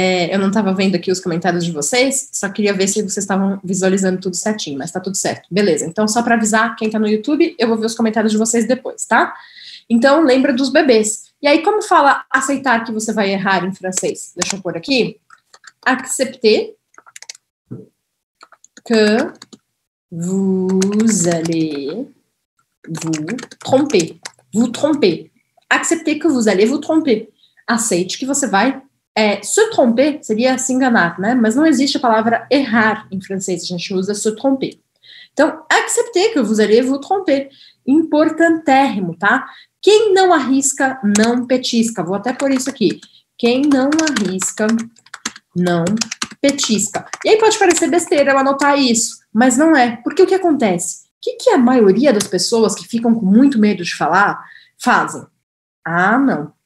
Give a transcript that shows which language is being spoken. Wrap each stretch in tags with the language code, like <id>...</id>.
<pt>eu não tava vendo aqui os comentários de vocês, só queria ver se vocês estavam visualizando tudo certinho, mas tá tudo certo. Beleza, então só para avisar quem tá no YouTube, eu vou ver os comentários de vocês depois, tá? Então, lembra dos bebês. E aí, como fala aceitar que você vai errar em francês? Deixa eu pôr aqui.</pt> <fr>Accepter que vous allez vous tromper. Vous tromper. Accepter que vous allez vous tromper.</fr> <pt>Aceite que você vai...</pt> <fr>se tromper</fr> <pt>seria se enganar, né? Mas não existe a palavra errar em francês. A gente usa</pt> <fr>se tromper.</fr> <pt>Então,</pt> <fr>accepter que vous allez vous tromper.</fr> <pt>Importantérrimo, tá? Quem não arrisca, não petisca. Vou até pôr isso aqui. Quem não arrisca, não petisca. E aí pode parecer besteira eu anotar isso, mas não é. Porque o que acontece? O que, que a maioria das pessoas que ficam com muito medo de falar fazem? Ah, não.</pt>